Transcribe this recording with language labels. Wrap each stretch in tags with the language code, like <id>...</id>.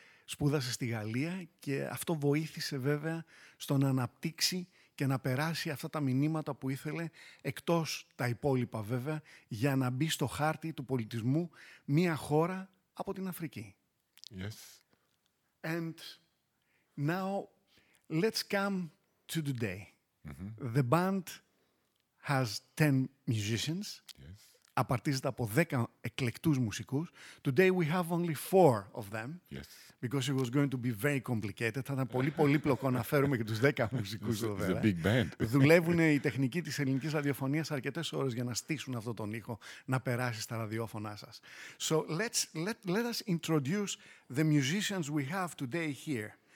<el>Σπούδασε στη Γαλλία και αυτό βοήθησε βέβαια στο να αναπτύξει και να περάσει αυτά τα μηνύματα που ήθελε, εκτός τα υπόλοιπα βέβαια, για να μπει στο χάρτη του πολιτισμού μια χώρα από την Αφρική.</el> <en>Yes. And now let's come to today. The band has 10 musicians. Yes.</en> <el>Απαρτίζεται από 10 εκλεκτούς μουσικούς.</el> <en>Today we have only 4 of them. Yes. Because it was going to be very complicated.</en> <el>Θα ήταν πολύ πολύπλοκο να φέρουμε και τους 10 μουσικούς εδώ πέρα.</el> <en>It's a big band.</en> <el>Δουλεύουν οι τεχνικοί της ελληνικής ραδιοφωνίας αρκετές ώρες για να στήσουν αυτόν τον ήχο να περάσει στα ραδιόφωνά σας.</el> <en>So let us introduce the musicians we have today here.</en>